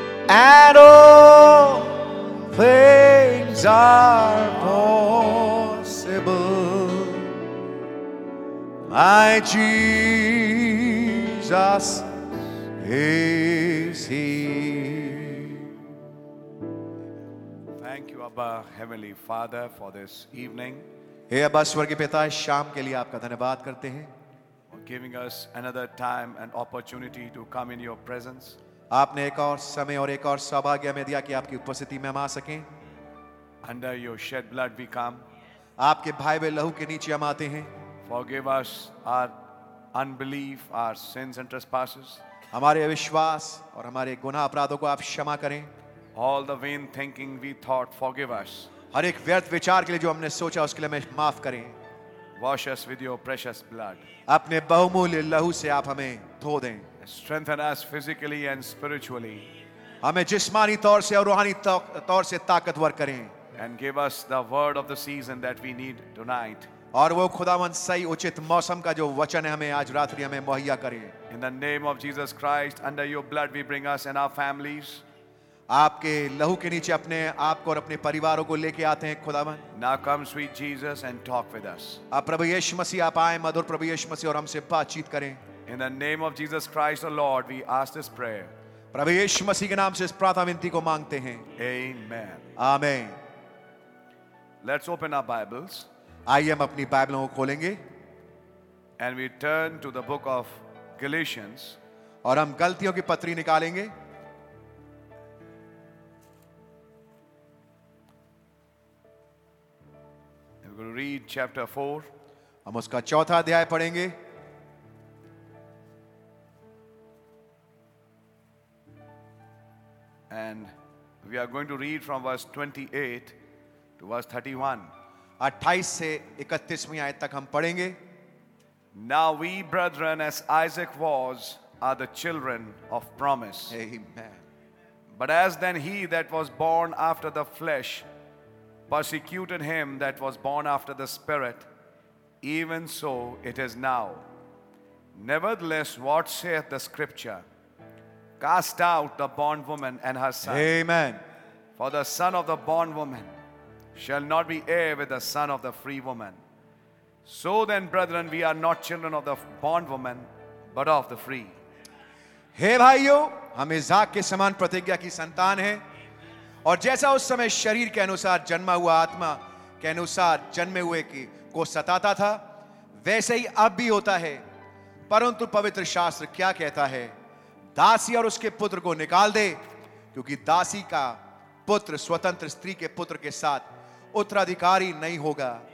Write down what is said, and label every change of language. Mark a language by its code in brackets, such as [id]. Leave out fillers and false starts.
[en] And all things are possible. My Jesus is here. Thank you, Abba, Heavenly Father, for this evening. [hi] Hey, Abba, स्वर्गीय पिता, शाम के लिए आपका धन्यवाद करते हैं. [en] For giving us another time and opportunity to come in your presence. [hi] आपने एक और समय और एक और सौभाग्य हमें दिया कि आपकी उपस्थिति में हम आ सकें. [en] Under your shed blood we come. [hi] आपके भाई वे लहू के नीचे हम आते हैं. [en] Forgive us our unbelief, our sins and trespasses. [hi] हमारे अविश्वास और हमारे गुनाह अपराधों को आप क्षमा करें. [en] All the vain thinking we thought, forgive us. [hi] हर एक व्यर्थ विचार के लिए जो हमने सोचा उसके लिए हमें माफ करें. [en] Wash us with your precious blood. [hi] अपने बहुमूल्य लहू से आप हमें धो दें. [en] Strengthen us physically and spiritually. [hi] हमें जिस्मानी तौर से और रूहानी तौर से ताकतवर करें. [en] And give us the word of the season that we need tonight. [hi] और वो खुदावन सही उचित मौसम का जो वचन है हमें आज रात्रि हमें मुहैया करें. [en] In the name of Jesus Christ, under your blood we bring us and our families. [hi] आपके लहू के नीचे अपने आप को और अपने परिवारों को लेके आते हैं खुदावन. [en] Now come sweet Jesus and talk with us. [hi] आप प्रभु यीशु मसीह आप आए मधुर प्रभु यीशु मसीह और हमसे बातचीत करें. [en] In the name of Jesus Christ the Lord we ask this prayer. [hi] प्रभु यीशु मसीह के नाम से इस प्रार्थना विनती को मांगते हैं. [en] Amen. Amen. Let's open our Bibles. [hi] आइए हम अपनी बाइबलों को खोलेंगे. [en] And we turn to the book of Galatians. [hi] और हम गलतियों की पत्री निकालेंगे. [en] We're going to read chapter 4. [hi] हम उसका चौथा अध्याय पढ़ेंगे. [en] And we are going to read from verse 28 to verse 31. [hi] 28 से 31वीं आयत तक हम पढ़ेंगे. [en] Now we brethren, as Isaac was, are the children of promise. Amen. But as then he that was born after the flesh persecuted him that was born after the spirit, even so it is now. Nevertheless, what saith the scripture? Cast out the bondwoman and her son. Amen. For the son of the bondwoman shall not be heir with the son of the free woman. So then, brethren, we are not children of the bondwoman, but of the free. [hi] Hey, भाइयों, हम इसहाक के समान प्रतिज्ञा की संतान हैं, और जैसा उस समय शरीर के अनुसार जन्मा हुआ आत्मा के अनुसार जन्मे हुए की को सताता था, वैसे ही अब भी होता है. परंतु पवित्र शास्त्र क्या कहता है? दासी और उसके पुत्र को निकाल दे, क्योंकि दासी का पुत्र स्वतंत्र स्त्री के पुत्र के साथ उत्तराधिकारी नहीं होगा.